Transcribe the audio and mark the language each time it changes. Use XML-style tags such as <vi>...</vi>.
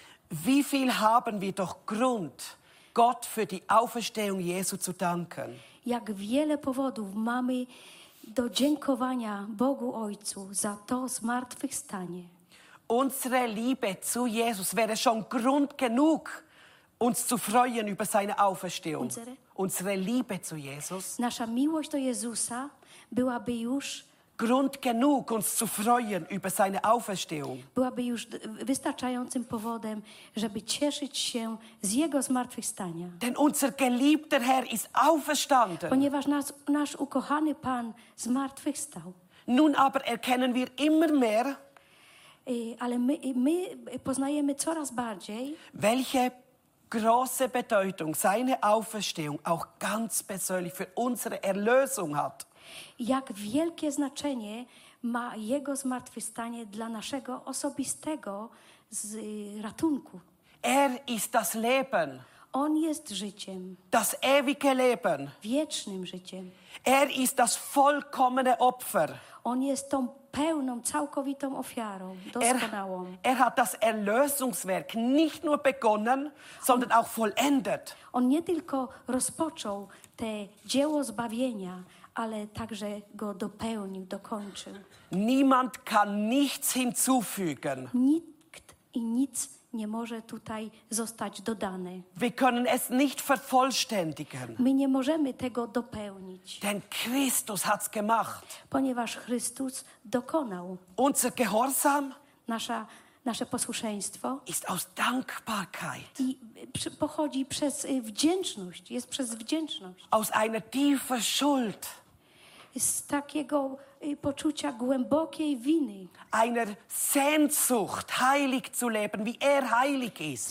<de>Wie viel haben wir doch Grund, Gott für die Auferstehung Jesu zu danken.</de> <pl>Jak wiele powodów mamy do dziękowania Bogu Ojcu za to zmartwychwstanie.</pl> <de>Unsere Liebe zu Jesus wäre schon Grund genug, uns zu freuen über seine Auferstehung. Unsere Liebe zu Jesus.</de> <pl>Nasza miłość do Jezusa byłaby już</pl> <de>Grund genug, uns zu freuen über seine Auferstehung.</de> <pl>Byłaby już wystarczającym powodem, żeby cieszyć się z Jego zmartwychwstania.</pl> <de>Denn unser geliebter Herr ist auferstanden.</de> <pl>Ponieważ nasz ukochany Pan zmartwychwstał.</pl> <de>Nun aber erkennen wir immer mehr,</de> <pl>ale my poznajemy coraz bardziej,</pl> <de>welche große Bedeutung seine Auferstehung auch ganz persönlich für unsere Erlösung hat.</de> <pl>Jak wielkie znaczenie ma Jego zmartwychwstanie dla naszego osobistego ratunku.</pl> <de>Er ist das Leben.</de> <pl>On jest życiem.</pl> <de>Das ewige Leben.</de> <pl>Wiecznym życiem.</pl> <de>Er ist das vollkommene Opfer.</de> <pl>On jest tą pełną, całkowitą ofiarą, doskonałą.</pl> <de>Er hat das Erlösungswerk nicht nur begonnen, sondern auch vollendet.</de> <pl>On nie tylko rozpoczął te dzieło zbawienia, ale także go dopełnił, dokończył.</pl> <de>Niemand kann nichts hinzufügen.</de> <pl>Nikt i nic nie może tutaj zostać dodany.</pl> <de>Wir können es nicht vervollständigen.</de> <pl>My nie możemy tego dopełnić.</pl> <de>Denn Christus hat's gemacht.</de> <pl>Ponieważ Chrystus dokonał.</pl> <de>Unser Gehorsam?</de> <pl>Nasze posłuszeństwo</pl> <de>ist aus Dankbarkeit.</de> <pl>I pochodzi przez wdzięczność, jest przez wdzięczność.</pl> <de>Aus einer tiefen Schuld.</de> <pl>Z takiego poczucia głębokiej winy.</pl> <de>Einer Sehnsucht, heilig zu leben, wie er heilig ist.</de>